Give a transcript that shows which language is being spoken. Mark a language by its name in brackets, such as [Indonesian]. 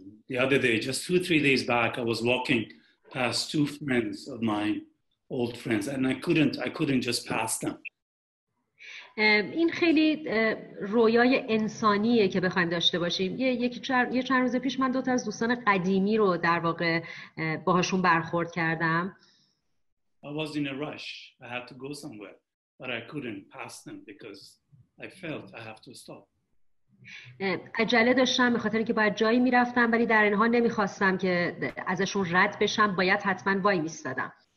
[English] The other day, just 2-3 days back, I was walking past two friends of mine, old friends, and I couldn't just pass them. [Persian] این خیلی رویای انسانیه که بخوایم داشته باشیم. یه چند روز پیش من دو تا از دوستان قدیمی رو در واقع باهاشون برخورد کردم. [English] I was in a rush. I had to go somewhere, but I couldn't pass them because I felt I have to stop. [Persian] عجله داشتم به خاطر اینکه باید جایی میرفتم ولی در این حال نمیخواستم که ازشون رد بشم، باید حتما وای میستادم.